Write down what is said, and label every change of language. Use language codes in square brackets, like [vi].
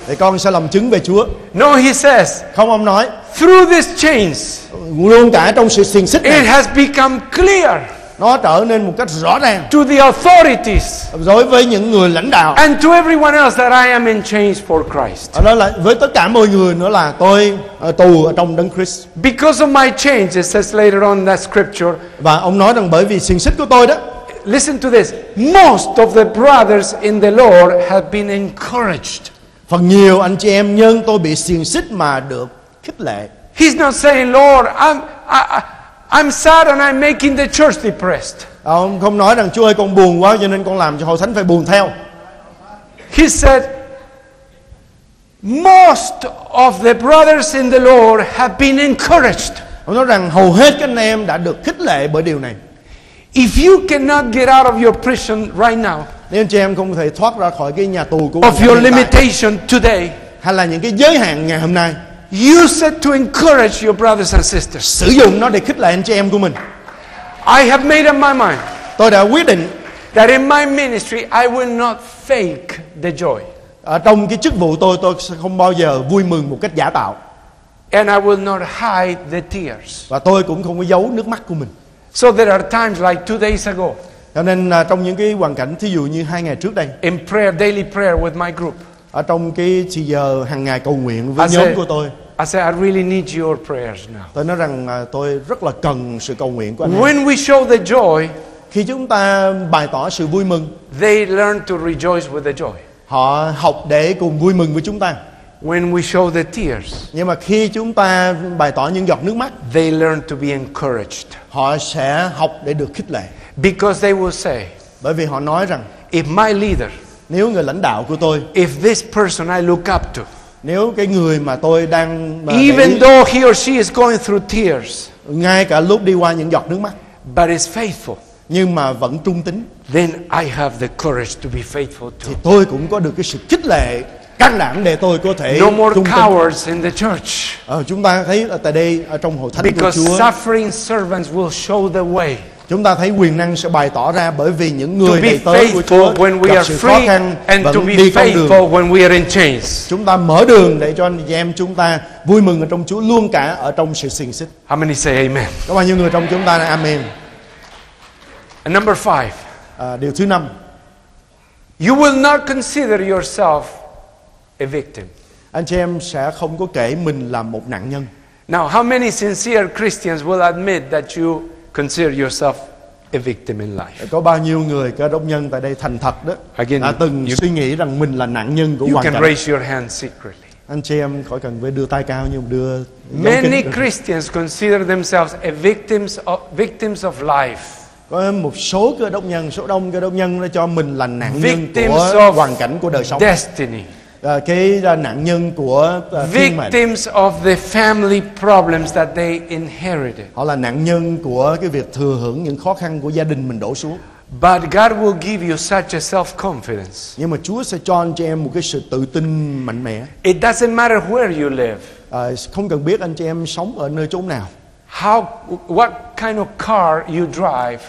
[vi] Thì con sẽ làm chứng về Chúa. [en] No, he says. [vi] Không, ông nói. [en] Through these chains. [vi] Luôn cả trong sự xiềng xích này. [en] It has become clear. [vi] Nó trở nên một cách rõ ràng. [en] To the authorities. [vi] Đối với những người lãnh đạo. [en] And to everyone else that I am in chains for Christ. [vi] Đó là với tất cả mọi người nữa là tôi tù ở trong đấng Christ. [en] Because of my chains, it says later on that scripture. [vi] Và ông nói rằng bởi vì xiềng xích của tôi đó. [en] Listen to this. Most of the brothers in the Lord have been encouraged. [vi] Phần nhiều anh chị em nhân tôi bị xiềng xích mà được khích lệ. [en] He's not saying, Lord, I'm sad and I'm making the church depressed. [vi] Ông không nói rằng Chúa ơi con buồn quá cho nên con làm cho hội thánh phải buồn theo. [en] He said, most of the brothers in the Lord have been encouraged. [vi] Ông nói rằng hầu hết các anh em đã được khích lệ bởi điều này. [en] If you cannot get out of your prison right now, [vi] nếu chị em không thể thoát ra khỏi cái nhà tù của [en] of your limitation today, [vi] hay là những cái giới hạn ngày hôm nay. [en] Use it to encourage your brothers and sisters. [vi] Sử dụng nó để khích lệ anh chị em của mình. [en] I have made up my mind. [vi] Tôi đã quyết định. [en] That in my ministry I will not fake the joy. [vi] Ở trong cái chức vụ tôi sẽ không bao giờ vui mừng một cách giả tạo. [en] And I will not hide the tears. [vi] Và tôi cũng không có giấu nước mắt của mình. [en] So there are times like 2 days ago. [vi] Cho nên trong những cái hoàn cảnh thí dụ như 2 ngày trước đây. [en] In prayer, daily prayer with my group. [vi] Ở trong cái thời giờ hàng ngày cầu nguyện với nhóm của tôi. [en] I say I really need your prayers now. [vi] Tôi nói rằng tôi rất là cần sự cầu nguyện của anh. [en] When we show the joy, [vi] khi chúng ta bày tỏ sự vui mừng, [en] they learn to rejoice with the joy. [vi] Họ học để cùng vui mừng với chúng ta. [en] When we show the tears, [vi] nhưng mà khi chúng ta bày tỏ những giọt nước mắt, [en] they learn to be encouraged. [vi] Họ sẽ học để được khích lệ. [en] Because they will say, [vi] bởi vì họ nói rằng, [en] if my leader, [vi] nếu người lãnh đạo của tôi, [en] if this person I look up to, [vi] nếu cái người mà tôi đang [en] even though he or she is going through tears, [vi] ngay cả lúc đi qua những giọt nước mắt, [en] but is faithful, [vi] nhưng mà vẫn trung tín, [en] then I have the courage to be faithful too. [vi] Thì tôi cũng có được cái sự khích lệ, can đảm để tôi có thể [en] no more cowards in the church. [vi] Chúng ta thấy là tại đây ở trong hội thánh của Chúa, [en] because suffering servants will show the way. [vi] Chúng ta thấy quyền năng sẽ bày tỏ ra bởi vì những người đầy tớ của Chúa gặp sự khó khăn vẫn đi con đường. Chúng ta mở đường để cho anh chị em chúng ta vui mừng ở trong Chúa luôn cả ở trong sự xiềng xích. [en] How many say amen? [vi] Có bao nhiêu người trong chúng ta là amen? [en] And number five. [vi] Điều thứ năm. [en] You will not consider yourself a victim. [vi] Anh chị em sẽ không có kể mình là một nạn nhân. [en] Now, how many sincere Christians will admit that you consider yourself a victim in life? [vi] Có bao nhiêu người cơ đốc nhân tại đây thành thật đó [en] again, [vi] đã từng suy nghĩ rằng mình là nạn nhân của hoàn cảnh? [en] You can raise your hand secretly. [vi] Anh chị em khỏi cần phải đưa tay cao nhưng đưa. [en] Many Christians consider themselves a victims of life. [vi] Có một số cơ đốc nhân, số đông cơ đốc nhân đã cho mình là nạn victims nhân của hoàn cảnh của đời sống. [en] Destiny. [vi] Cái nạn nhân của [en] victims of the family problems that they inherited. [vi] Họ là nạn nhân của cái việc thừa hưởng những khó khăn của gia đình mình đổ xuống. [en] But God will give you such a self-confidence. [vi] Nhưng mà Chúa sẽ cho anh chị em một cái sự tự tin mạnh mẽ. [en] It doesn't matter where you live. [vi] Không cần biết anh chị em sống ở nơi chốn nào. [en] What kind of car you drive.